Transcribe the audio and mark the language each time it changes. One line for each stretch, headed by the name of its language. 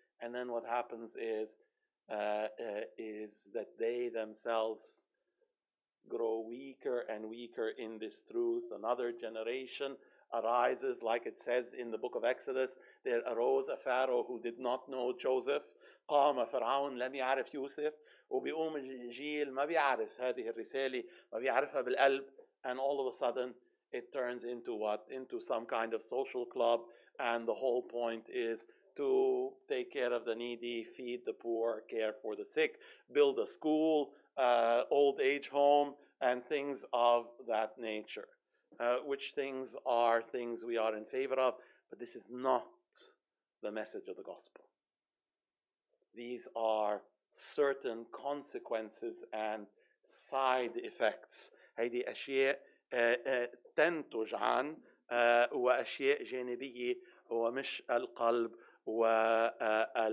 English: And then what happens is that they themselves grow weaker and weaker in this truth. Another generation arises, like it says in the book of Exodus, there arose a Pharaoh who did not know Joseph.
Arabic: قام فرعون لم يعرف يوسف وبيقوم الجيل ما بيعرف هذه الرسالة ما بيعرفها بالقلب.
English: And all of a sudden, it turns into what? Into some kind of social club. And the whole point is to take care of the needy, feed the poor, care for the sick, build a school, old age home, and things of that nature, which things are things we are in favor of. But this is not the message of the gospel. These are certain consequences and side effects.
Arabic: هذه أشياء تنتج عن وأشياء جانبية ومش القلب والقالب.